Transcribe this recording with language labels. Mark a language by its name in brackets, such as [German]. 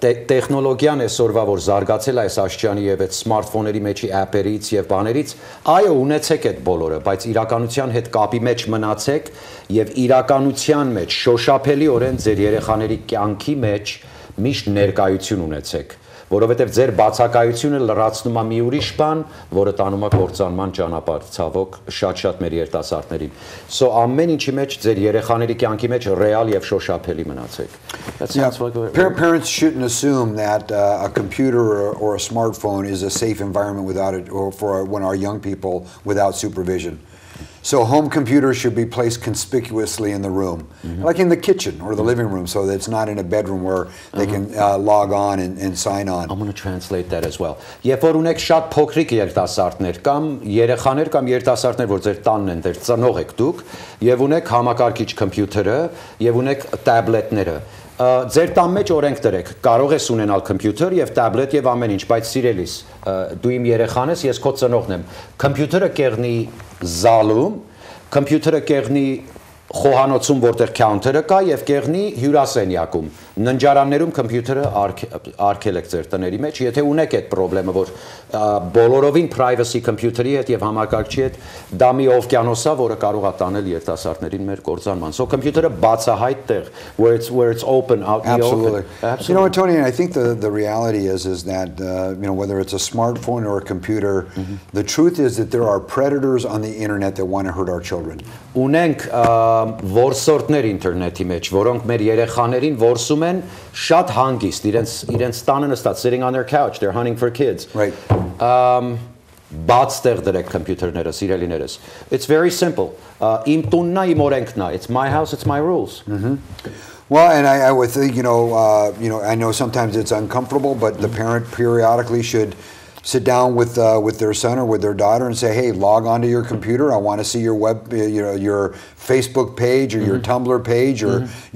[Armenian] Տեխնոլոգիան այսօրվա որ զարգացել է այս աշխարհի եւ այդ սմարթֆոնների մեջի ապերից եւ բաներից, այո, ունեցեք այդ բոլորը, բայց իրականության հետ կապի մեջ մնացեք եւ իրականության մեջ շոշափելի օրեն ձեր երեխաների կյանքի մեջ միշտ ներկայություն ունեցեք, որովհետեւ ձեր բացակայությունը լրացնում է մի ուրիշ բան, որը տանում է կործանման ճանապարհ ցավոք շատ մեր երիտասարդներին։ So ամեն ինչի մեջ ձեր երեխաների կյանքի մեջ ռեալ եւ շոշափելի մնացեք։ [English] Parents shouldn't assume that a computer or a smartphone is a safe environment without it, or for when our young people without supervision. So home computers should be placed conspicuously in the room, mm-hmm. like in the kitchen or the mm-hmm. living room, so that it's not in a bedroom where they can log on and sign on. I'm going to translate that as well. [Armenian] Երբ որ ունեք շատ փոքրիկ երիտասարդներ կամ երեխաներ կամ երիտասարդներ, որ ձեր տանն են, ձեր ծնող եք դուք, եւ ունեք համակարգիչ համակարգիչը, եւ ունեք tablet-ները, ձեր տան մեջ օրենք դրեք, կարող ես ունենալ համակարգիչ եւ tablet եւ ամեն ինչ, բայց սիրելիս, դու իմ երեխան ես, ես քո ծնողն եմ, համակարգիչը կեղնի Zalum, computer կեղնի խոհանոցում, որտեղ counter-ը կա, եւ կեղնի հյուրասենյակում։ Ննջարաններում computer-ը արգելեք ձեր տների մեջ, եթե ունեք այդ problem-ը, որ բոլորովին privacy computer-ի հետ եւ համակարգչի հետ դա մի օվկիանոսա, որը կարող է տանել երիտասարդներին մեր կործանման։ So computer-ը բացահայտ տեղ, [English] where it's open out the Absolutely. Open. Absolutely. You know, Tony, I think the reality is that you know, whether it's a smartphone or a computer, mm-hmm. the truth is that there are predators on the internet that want to hurt our children. [Armenian] Ունենք որսորդներ ինտերնետի մեջ, որոնք մեր երեխաներին որսում են շատ հանգիստ, իրենց տանը նստած, [English] sitting on their couch, they're hunting for kids. Right. [Armenian] Բաց տեղ դրեք համակարգիչները, սիրելիներս. [English] It's very simple. [Armenian] Իմ տունն է, իմ օրենքն է. [English] It's my house, it's my rules. Well, and I would think, I know sometimes it's uncomfortable, but the parent periodically should sit down with their son or with their daughter and say, hey, log on to your computer. I want to see your web, your Facebook page or mm-hmm. your Tumblr page or mm-hmm.